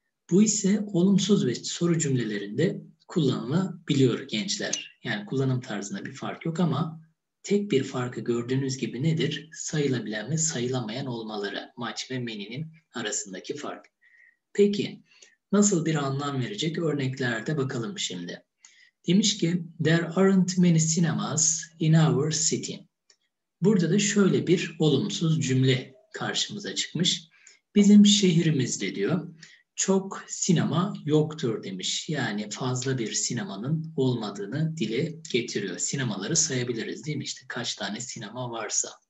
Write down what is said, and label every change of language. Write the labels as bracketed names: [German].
[Turkish] Bu ise olumsuz ve soru cümlelerinde kullanılabiliyor gençler. Yani kullanım tarzında bir fark yok ama tek bir farkı gördüğünüz gibi nedir? Sayılabilen ve sayılamayan olmaları, much ve many'nin arasındaki fark. Peki nasıl bir anlam verecek? Örneklerde bakalım şimdi. Demiş ki [English] there aren't many cinemas in our city. [Turkish] Burada da şöyle bir olumsuz cümle karşımıza çıkmış. Bizim şehrimizde diyor çok sinema yoktur demiş. Yani fazla bir sinemanın olmadığını dile getiriyor. Sinemaları sayabiliriz değil mi? İşte kaç tane sinema varsa.